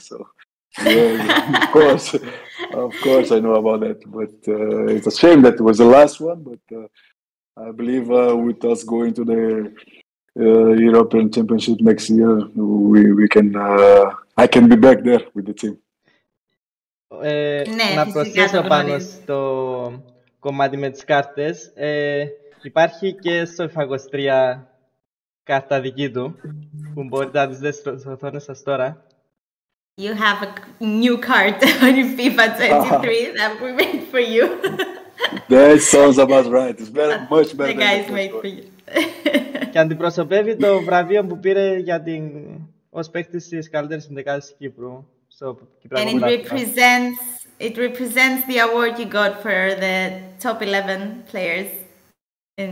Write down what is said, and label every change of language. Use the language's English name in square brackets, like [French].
[English] So, yeah, of course, I know about that. But it's a shame that it was the last one. But I believe with us going to the European Championship next year, we can I can be back there with the team. [Greek] Να προσθέσω πάνω στο κομμάτι με τις κάρτες. Υπάρχει και στο FIFA 23 κάρτα δική του που μπορείτε να τις δείτε στις οθόνες σας τώρα. [English] You have a new card on FIFA 23 that we made for you. That sounds about right. It's better, much better. The guys made for you. [Greek] Και αντιπροσωπεύει το βραβείο που πήρε για την ως παίκτης της καλύτερης συνδεκάδας της Κύπρου. [English] So, and it represents the award you got for the top 11 players in